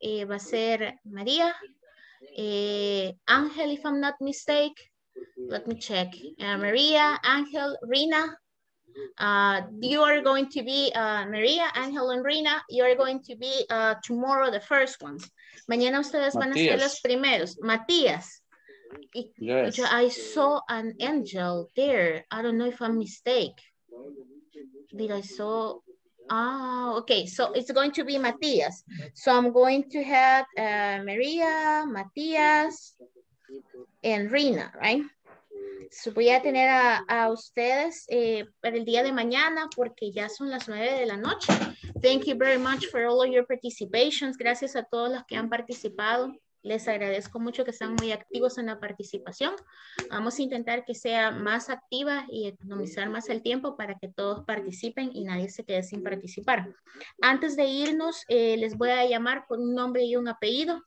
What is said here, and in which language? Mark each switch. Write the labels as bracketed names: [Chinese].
[Spanish] Va a ser [English] María, Ángel, if I'm not mistaken. Let me check. María, Ángel, Rina. You are going to be, María, Ángel and Rina, you are going to be tomorrow the first ones. [Spanish] Mañana ustedes van [English] Matías. [Spanish] A ser los primeros. Matías. [English] Yes. I saw an angel there. I don't know if I'm mistaken. Did I saw? Ah, okay. So it's going to be Matias. So I'm going to have Maria, Matias, and Rina, right? [Spanish] So voy a tener a ustedes para el día de mañana porque ya son las 9 de la noche. [English] Thank you very much for all of your participations. [Spanish] Gracias a todos los que han participado. Les agradezco mucho que sean muy activos en la participación. Vamos a intentar que sea más activa y economizar más el tiempo para que todos participen y nadie se quede sin participar. Antes de irnos, les voy a llamar con un nombre y un apellido.